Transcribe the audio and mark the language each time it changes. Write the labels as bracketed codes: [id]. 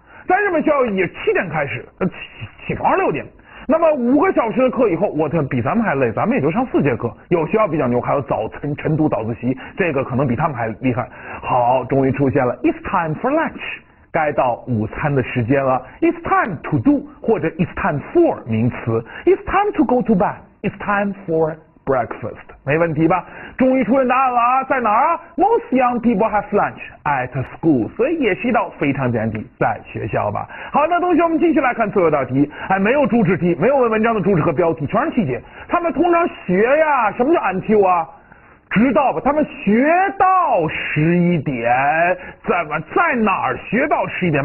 [zh] 在日本校也七点开始，起床六点。那么五个小时的课以后，我天，比咱们还累，咱们也就上四节课。有学校比较牛，还有早晨晨读早自习，这个可能比他们还厉害。好，终于出现了 ， [en] It's time for lunch， [zh] 该到午餐的时间了。 [en] It's time to do [zh] 或者 [en] It's time for 名词 ，It's time to go to bed， It's time for breakfast， [zh] 没问题吧？终于出现答案了啊，在哪儿啊 ？ [en] Most young people have lunch at school， [zh] 所以也是一道非常简单题，在学校吧。好，那同学，我们继续来看最后一道题。哎，没有主旨题，没有问文章的主旨和标题，全是细节。他们通常学呀，什么叫 until 啊？直到吧，他们学到十一点，在哪儿学到十一点？